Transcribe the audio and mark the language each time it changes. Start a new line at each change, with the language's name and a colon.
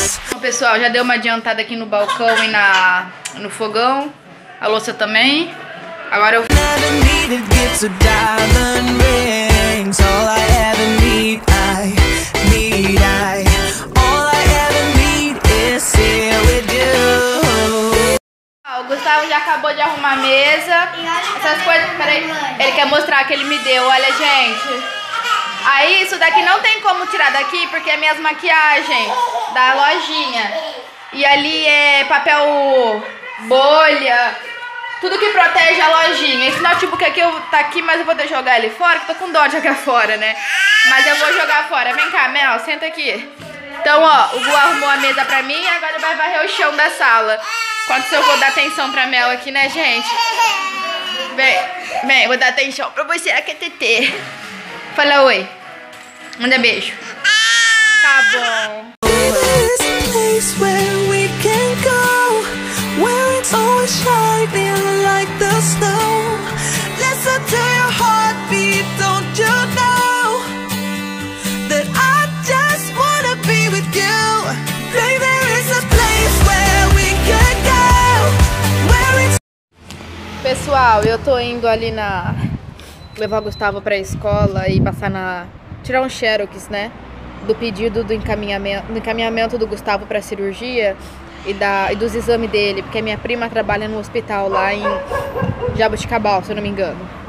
Portuguese: Bom, pessoal, já deu uma adiantada aqui no balcão e no fogão, a louça também. Agora eu
English: never needed gifts or diamond rings. All I ever need, I need. All I ever need is here with you.
Portuguese: O Gustavo já acabou de arrumar a mesa. Essas coisas, peraí. Ele quer mostrar o que ele me deu, olha, gente. Aí, isso daqui não tem como tirar daqui, porque é minhas maquiagens da lojinha. E ali é papel bolha, tudo que protege a lojinha. Esse notebook aqui tá aqui, mas eu vou jogar ele fora, que tô com dó de jogar fora, né? Mas eu vou jogar fora. Vem cá, Mel, senta aqui. Então, ó, o Gu arrumou a mesa pra mim e agora vai varrer o chão da sala. Enquanto isso, eu vou dar atenção pra Mel aqui, né, gente? Vem, vou dar atenção pra você aqui, Tetê. Fala oi. Manda beijo. Tá bom.
English: This place where we can go, where it's always shining like the snow. Listen to your heartbeat, don't you know that I just wanna be with you. Baby, there is a place where we can go, where it's...
Portuguese: Pessoal, eu tô indo ali na... levar o Gustavo pra escola e passar na... tirar um xerox, né? Do pedido do encaminhamento do Gustavo pra cirurgia e dos exames dele, porque minha prima trabalha no hospital lá em Jaboticabal, se eu não me engano.